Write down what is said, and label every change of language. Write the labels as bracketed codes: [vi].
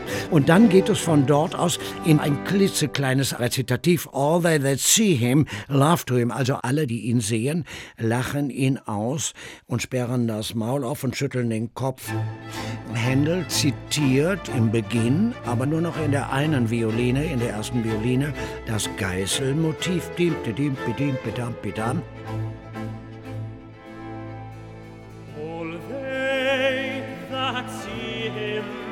[de] Und dann geht es von dort aus in ein klitzekleines Rezitativ. [en] All they that see him laugh to him. [de] Also alle, die ihn sehen, lachen ihn aus und sperren das Maul auf und schütteln den Kopf. Händel zitiert im Beginn, aber nur noch in der einen Violine, in der ersten Violine, das Geißelmotiv. [en] All they that see him.